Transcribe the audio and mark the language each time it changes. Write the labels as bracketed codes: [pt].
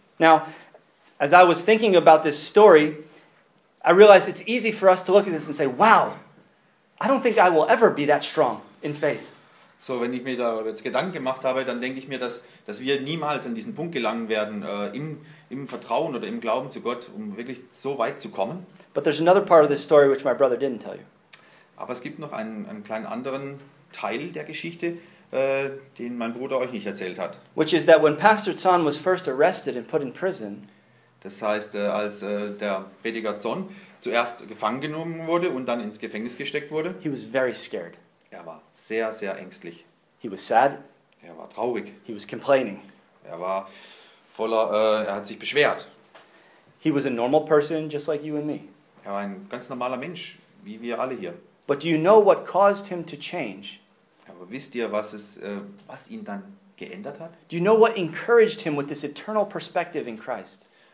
[en] Now, as I was thinking about this story, I realized it's easy for us to look at this and say, wow, I don't think I will ever be that strong in faith. [de] So, wenn ich mir da jetzt Gedanken gemacht habe, dann denke ich mir, dass wir niemals an diesen Punkt gelangen werden, im Vertrauen oder im Glauben zu Gott, um wirklich so weit zu kommen. [en] But there's another part of this story which my brother didn't tell you. [de] Aber es gibt noch einen kleinen anderen Teil der Geschichte, den mein Bruder euch nicht erzählt hat. [en] Which is that when Pastor Zahn was first arrested and put in prison, [de] das heißt, als der Prediger Zon zuerst gefangen genommen wurde und dann ins Gefängnis gesteckt wurde, [en] he was very scared. [de] Er war sehr, sehr ängstlich. [en] He was sad. [de] Er war traurig. [en] He was complaining. [de] Er war voller, er hat sich beschwert. [en] He was a normal person, just like you and me. [de] Er war ein ganz normaler Mensch, wie wir alle hier. [en] But do you know what caused him to change? [de] Aber wisst ihr, was ihn dann geändert hat? [en] Do you know what encouraged him with this eternal perspective in Christ?